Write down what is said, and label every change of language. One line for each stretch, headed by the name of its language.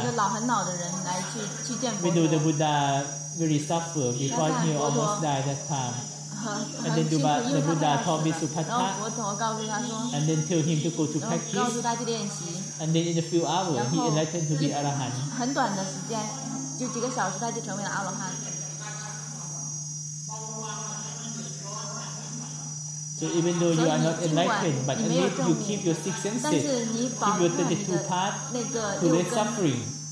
Chinese: 这个老很老的人来去见佛陀。
English: We know the Buddha very suffered before he almost died that time. And then the Buddha told me Asupata, and then told him to go to practice. And then in a few hours, he enlightened to be Arahant.
Chinese: 很短的时间，就几个小时，他就成为了阿罗汉。
English: So even though you are not enlightened, but at least you keep your six senses, keep your 32 parts to less suffering.